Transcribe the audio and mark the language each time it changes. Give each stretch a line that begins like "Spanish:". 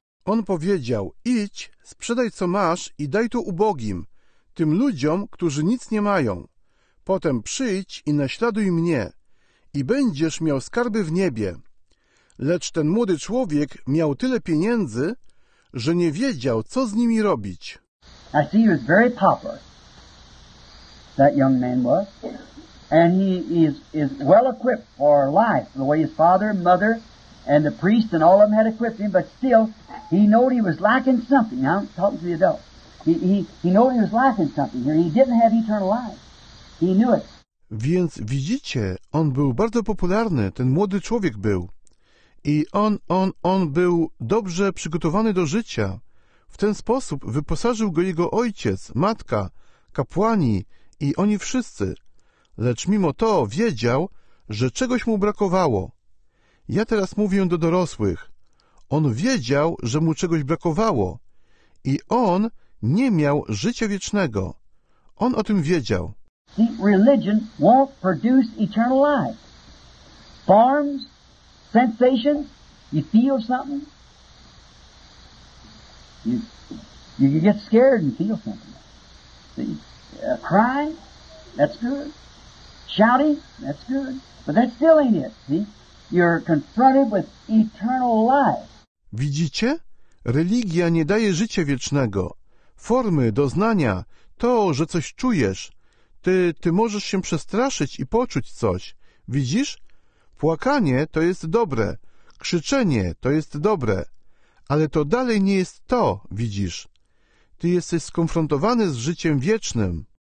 Polish: On powiedział, idź, sprzedaj co masz i daj to ubogim, tym ludziom, którzy nic nie mają. Potem przyjdź i naśladuj mnie, i będziesz miał skarby w niebie. Lecz ten młody człowiek miał tyle pieniędzy, że nie wiedział, co z nimi robić.
English: I see he was very popular, that young man was. And he is well equipped for life, the way his father and mother and the priest and all of them had equipped him, but still, he knew he was lacking something. Now, I'm talking to the adults. He knew he was lacking something here. He didn't have eternal life. He knew it.
Polish: Więc widzicie, on był bardzo popularny, ten młody człowiek był. I on był dobrze przygotowany do życia. W ten sposób wyposażył go jego ojciec, matka, kapłani i oni wszyscy. Lecz mimo to wiedział, że czegoś mu brakowało. Ja teraz mówię do dorosłych. On wiedział, że mu czegoś brakowało. I on nie miał życia wiecznego. On o tym wiedział.
English: Religion won't produce eternal life. Forms, sensations, you feel something. You get scared and feel something. See? Cry, that's good. Shouting, that's good. But that still ain't it, see? You're confronted with eternal life.
Polish: Widzicie? Religia nie daje życia wiecznego. Formy, doznania, to, że coś czujesz. Ty możesz się przestraszyć i poczuć coś. Widzisz? Płakanie to jest dobre. Krzyczenie to jest dobre. Ale to dalej nie jest to, widzisz? Ty jesteś skonfrontowany z życiem wiecznym.